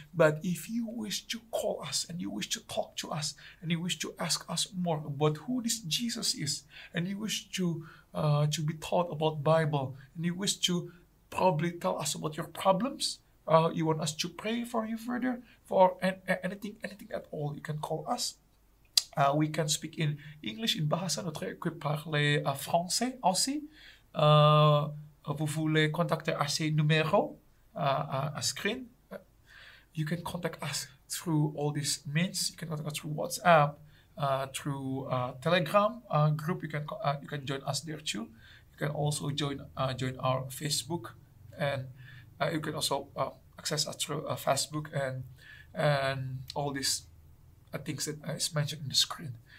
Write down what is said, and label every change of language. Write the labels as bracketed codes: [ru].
[en] But if you wish to call us and you wish to talk to us and you wish to ask us more about who this Jesus is and you wish to be taught about Bible and you wish to probably tell us about your problems, you want us to pray for you further, for anything at all, you can call us. We can speak in English, in Bahasa, [fr] notre équipe parle français aussi. Vous voulez contacter à ces numéros, à screen. [en] You can contact us through all these means. You can contact us through WhatsApp, through Telegram group. You can join us there too. You can also join our Facebook, and you can also access us through Facebook and all these things that is mentioned in the screen.